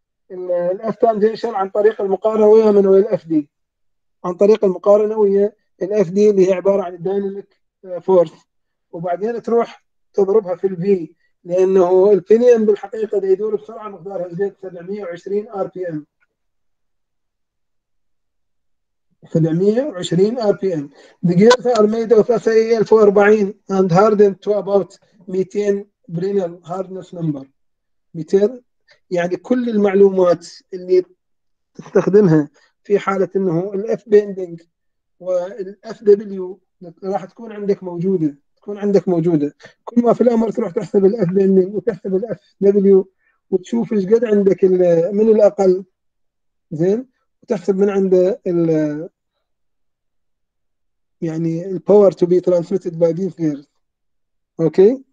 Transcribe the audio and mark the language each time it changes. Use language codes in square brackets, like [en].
[ar] الاف تانجنشال عن طريق المقارنة ويا من ويا الاف دي، عن طريق المقارنة ويا الاف دي اللي هي عبارة عن الدايناميك فورس، وبعدين تروح تضربها في الفي، لأنه البينيون بالحقيقة دا يدور بسرعة مقدارها 720 RPM 720 RPM. [en] The gears are made of SAEL 440 and hardened to about 200 Brinell hardness number. [ar] 200 يعني كل المعلومات اللي تستخدمها في حالة انه الـ F bending والـ FW راح تكون عندك موجودة، تكون عندك موجودة. كل ما في الأمر تروح تحسب الـ F bending وتحسب الـ FW وتشوف ايش قد عندك من الأقل، زين، وتحسب من عند الـ يعني الـ [en] power to be transmitted by these gears. Okay?